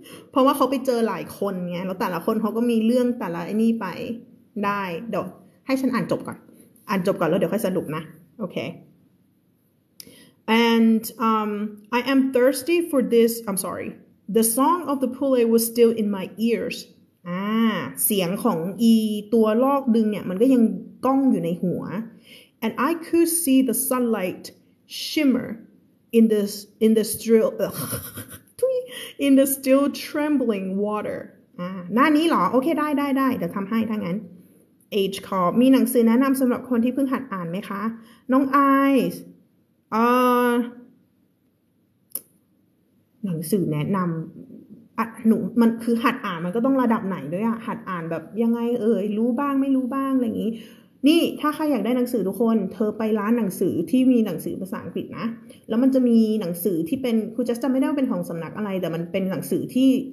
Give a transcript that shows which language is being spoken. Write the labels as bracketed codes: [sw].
[th] เพราะว่าเขาไปเจอหลายคนไงแล้วแต่ละคนเขาก็มีเรื่องแต่ละไอ้นี่ไปได้เดี๋ยวให้ฉันอ่านจบก่อนอ่านจบก่อนแล้วเดี๋ยวค่อยสรุปนะ โอเค [en] and I am thirsty for this I'm sorry the song of the pulley was still in my ears [th] เสียงของอีตัวลอกดึงเนี่ยมันก็ยังก้องอยู่ในหัว [en] and I could see the sunlight shimmer in the still trembling water [th] หน้านี้เหรอโอเคได้เดี๋ยวทำให้ถ้างั้น age call มีหนังสือแนะนำสำหรับคนที่เพิ่งหัดอ่านไหมคะน้องไอซ์หนังสือแนะนำหนูมันคือหัดอ่านมันก็ต้องระดับไหนด้วยอะหัดอ่านแบบยังไงเอ่ยรู้บ้างไม่รู้บ้างอะไรอย่างนี้นี่ถ้าใครอยากได้หนังสือทุกคนเธอไปร้านหนังสือที่มีหนังสือภาษาอังกฤษนะแล้วมันจะมีหนังสือที่เป็นครูจะไม่ได้ว่าเป็นของสำนักอะไรแต่มันเป็นหนังสือที่